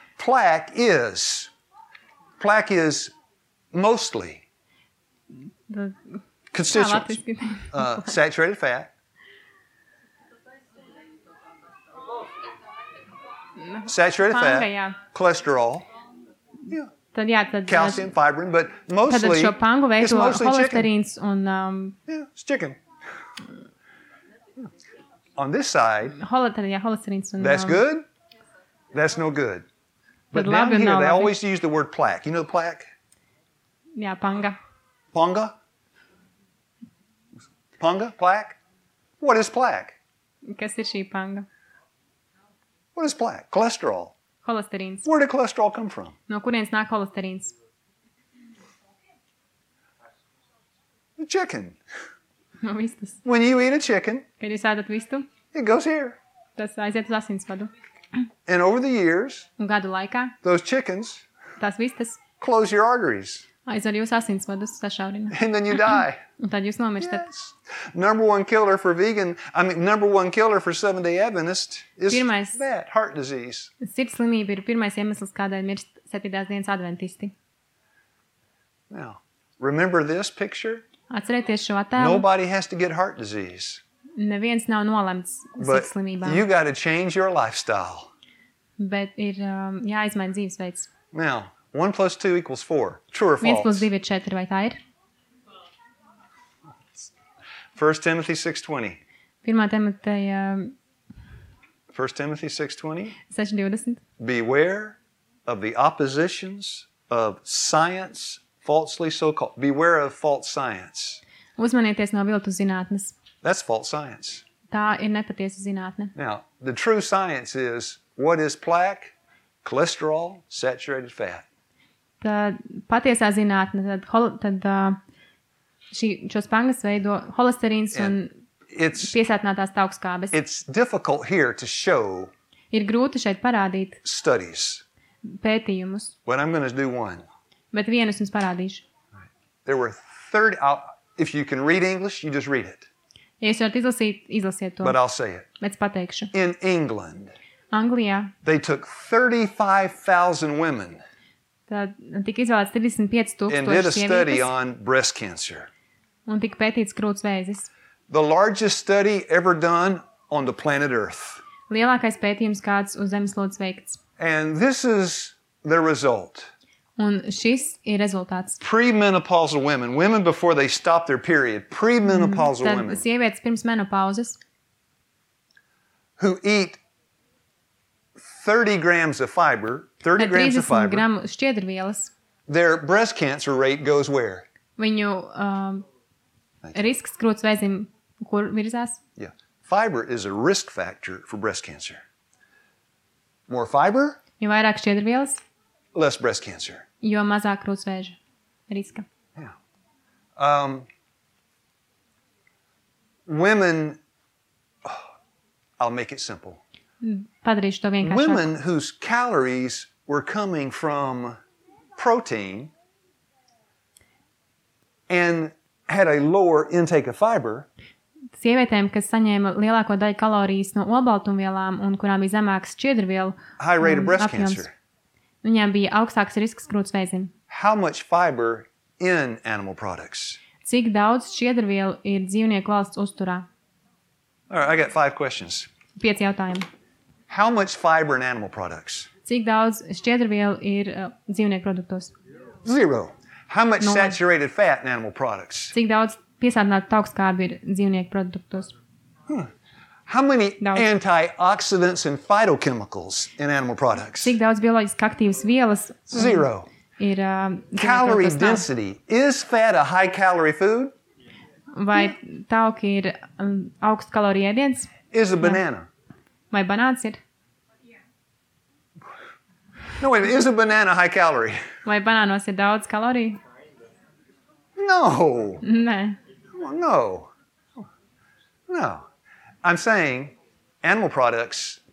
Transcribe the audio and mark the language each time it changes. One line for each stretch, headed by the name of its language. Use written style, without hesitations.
English: Plaque is mostly constituents. saturated fat. Saturated fat. Cholesterol. Yeah.
Latvian: Tad, jā, tad,
English: calcium, fibrin, but mostly
Latvian: šo pangu veido holesterīns un
English: it's chicken. On this side,
Latvian: holesterīns un,
English: that's good, that's no good. But
Latvian: labi
English: down here,
Latvian: labi.
English: They always use the word plaque. You know the plaque? Yeah, panga.
Latvian: Panga?
English: Panga? Plaque? What is plaque?
Latvian: Kas ir šī panga?
English: What is plaque? Cholesterol.
Latvian: Holesterīns.
English: Where did cholesterol come from?
Latvian: No kurienes nāk holesterīns?
English: The chicken.
Latvian: No vistas.
English: When you eat a chicken,
Latvian: kad jūs ēdat vistu,
English: it goes here.
Latvian: Tas aiziet uz asinsvadu.
English: And over the years,
Latvian: un gadu laikā,
English: those chickens,
Latvian: tās vistas,
English: close your arteries.
Latvian: Aizver jūs asinsvadus, sašaurina.
English: And then you die.
Latvian: Un tad jūs nomirstat.
English: Yes. Number one killer for Seventh-day Adventist is
Latvian: pirmais,
English: that, heart disease.
Latvian: Sirds slimība ir pirmais iemesls, kādēļ mirst septītās dienas adventisti.
English: Now, remember this picture?
Latvian: Atcerieties šo attēlu.
English: Nobody has to get heart disease.
Latvian: neviens nav nolemts But slimībām.
English: You got to change your lifestyle.
Latvian: Bet ir jāizmaina dzīvesveids.
English: Now, 1 plus 2 equals 4. True or false?
Latvian: 1 plus 2 ir 4, vai tā ir?
English: 1 Timothy 6:20. 1 Timothy 6:20. Beware of the oppositions of science, falsely so called. Beware of false science.
Latvian: Uzmanieties no viltu zinātnes.
English: That's false science.
Latvian: Tā ir nepatiesa zinātne.
English: Now, the true science is what is plaque? Cholesterol, saturated fat.
Latvian: Tad patiesā zinātne, šo spangas veido holesterīns un piesātinātās taukskābes.
English: It's difficult here to show.
Latvian: Ir grūti šeit parādīt.
English: Studies.
Latvian: Pētījumus.
English: But I'm going to do one.
Latvian: Bet vienu es jums parādīšu.
English: There were 30 out if you can read English, you just read it.
Latvian: Ja jūs varat izlasīt, izlasiet to.
English: But I'll say it.
Latvian: Bet es pateikšu.
English: In England.
Latvian: Anglijā.
English: They took 35,000 women.
Latvian: Tad tika izvēlēts 35,000 sievietes. Un tika pētīts krūts vēzis.
English: The largest study ever done on the planet Earth.
Latvian: Lielākais pētījums kāds uz zemeslodes veikts.
English: And this is the result.
Latvian: Un šis ir rezultāts.
English: Premenopausal women, women before they stop their period, premenopausal women.
Latvian: Tad sievietes pirms menopauzes.
English: Who eat 30 grams of fiber, 30 grams of fiber.
Latvian: Gramu šķiedrvielas.
English: Their breast cancer rate goes where?
Latvian: Viņu risks krūts vēzim kur virzās?
English: Yeah. Fiber is a risk factor for breast cancer. More fiber?
Latvian: Jo vairāk šķiedrvielas?
English: Less breast cancer.
Latvian: Jo mazāk krūts vēža riska.
English: Yeah. Women I'll make it simple.
Latvian: Padarīšu to vienkāršāk.
English: Women whose calories were coming from protein and had a lower intake of fiber.
Latvian: Sievietēm, kas saņēma lielāko daļu kalorijas no olbaltumvielām un kurām bija zemāks šķiedrvielu
English: high rate of breast cancer.
Latvian: Viņām bija augstāks risks krūts vēzim.
English: How much fiber in animal products?
Latvian: Cik daudz šķiedrvielu ir dzīvnieku valsts uzturā?
English: All right, I got 5 questions.
Latvian: 5 jautājumi.
English: How much fiber in animal products?
Latvian: Cik daudz šķiedrvielu ir dzīvnieku produktos?
English: Zero. How much saturated fat in animal products?
Latvian: Cik daudz piesātinātu taukskābi ir dzīvnieku produktos?
English: How many antioxidants and phytochemicals in animal products?
Latvian: Cik daudz bioloģiski aktīvas vielas?
English: Zero.
Latvian: Ir
English: calorie density. Is fat a high calorie food?
Latvian: Vai tauki ir augsts kaloriju ēdiens?
English: Is a banana.
Latvian: Vai banāns ir?
English: No, wait, is a banana high calorie?
Latvian: Vai banānos ir daudz kaloriju?
English: No.
Latvian: Nē.
English: No. No. I'm saying animal products.